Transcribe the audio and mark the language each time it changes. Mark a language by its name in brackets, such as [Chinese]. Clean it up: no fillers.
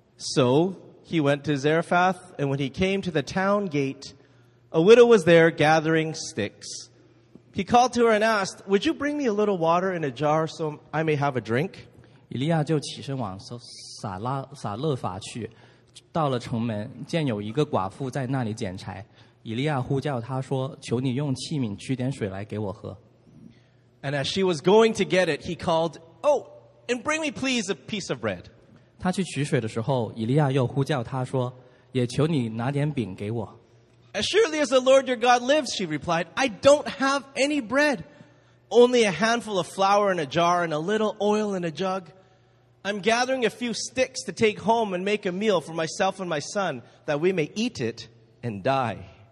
[English] So he went to Zarephath, and when he came to the town gate, a widow was there gathering sticks. He called to her and asked, "Would you bring me a little water in a jar so I may have a drink?" [Chinese] 以利亚就起身往撒拉法去,到了城门,见有一个寡妇在那里捡柴。以利亚呼叫他说,求你用器皿取点水来给我喝。And [English] as she was going to get it, he called, "Oh, and bring me please a piece of bread." [Chinese] 他去取水的时候,以利亚又呼叫他说,也求你拿点饼给我。As [English] surely as the Lord your God lives, she replied, "I don't have any bread, only a handful of flour in a jar and a little oil in a jug. I'm gathering a few sticks to take home and make a meal for myself and my son, that we may eat it and die."